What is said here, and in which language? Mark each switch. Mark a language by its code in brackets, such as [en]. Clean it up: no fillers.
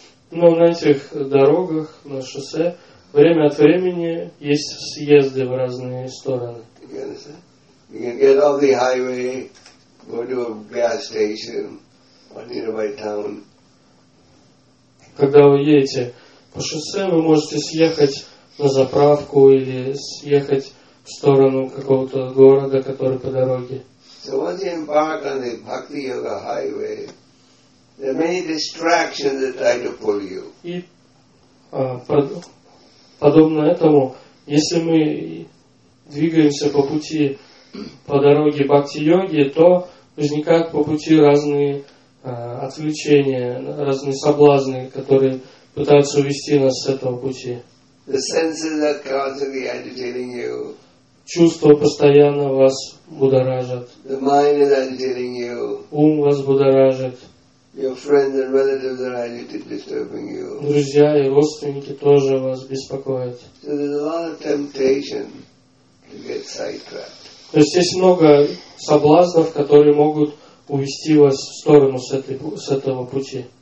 [ru] Но на этих дорогах, на шоссе, время от времени есть съезды в разные стороны. [en] You can get off the highway, go to a gas station or nearby town. [ru] Когда вы едете по шоссе, вы можете съехать на заправку или съехать в сторону какого-то города, который по дороге. [en] So once you embark on the Bhakti Yoga highway, there are many distractions that try to pull you. [ru] И подобно этому, если мы двигаемся по пути, по дороге бхакти-йоги, то возникают по пути разные отвлечения, разные соблазны, которые пытаются увести нас с этого пути. [en] The senses are constantly agitating you. [ru] Чувства постоянно вас будоражат. [en] The mind is agitating you. [ru] Ум вас будоражит. [en] Your friends and relatives are agitated, disturbing you. [ru] Друзья и родственники тоже вас беспокоят. [en] So there's a lot of temptation to get sidetracked. [ru] То есть есть много соблазнов, которые могут увести вас в сторону с этого пути.